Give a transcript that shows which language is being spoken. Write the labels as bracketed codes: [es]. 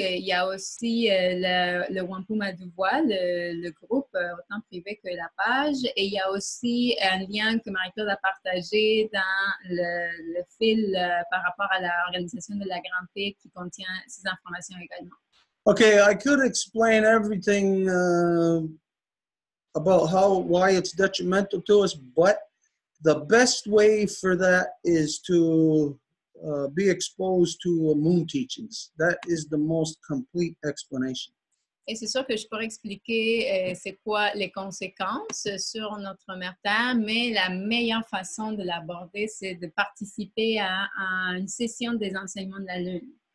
[fr] Il y a aussi le Wampum à Deux Voies, le groupe, autant privé que la page. Et il y a aussi un lien que Marie-Claude a partagé dans le fil par rapport à l'organisation de la Grande Paix qui contient ces informations également. [en] Okay, I could explain everything about how, why it's detrimental to us, but the best way for that is to be exposed to moon teachings. That is the most complete explanation. [fr] Et c'est sûr que je pourrais expliquer c'est quoi les conséquences sur notre mère Terre, mais la meilleure façon de l'aborder, c'est de participer à une session des enseignements de la Lune.